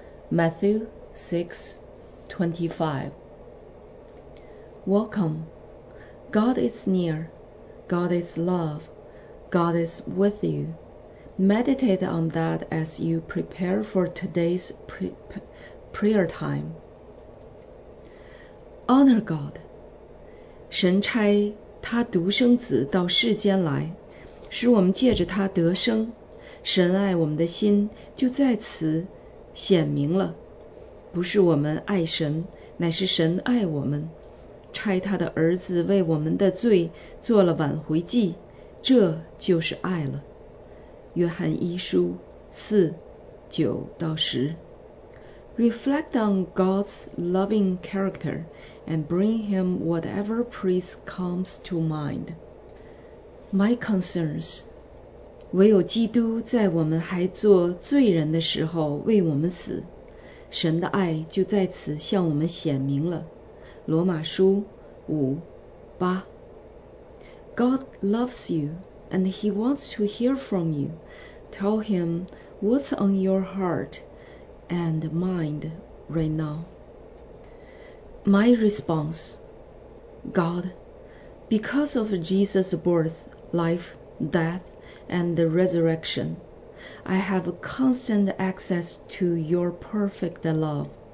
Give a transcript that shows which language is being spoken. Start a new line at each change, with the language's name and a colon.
English: Matthew 6:25. Welcome. God is near. God is love. God is with you. Meditate on that as you prepare for today's prayer time. Honor God.
Chinese: 神差他独生子到世间来，使我们借着他得生。神爱我们的心就在此显明了，不是我们爱神，乃是神爱我们，差他的儿子为我们的罪做了挽回祭，这就是爱了。约翰一书4:9-10。
English: Reflect on God's loving character and bring him whatever prayer comes to mind. My concerns.
Chinese: 唯有基督在我们还做罪人的时候为我们死，神的爱就在此向我们显明了。罗马书五八。
English: God loves you, and he wants to hear from you. Tell him what's on your heart and mind right now. My response, God, because of Jesus' birth, life, death, and the resurrection, I have constant access to your perfect love.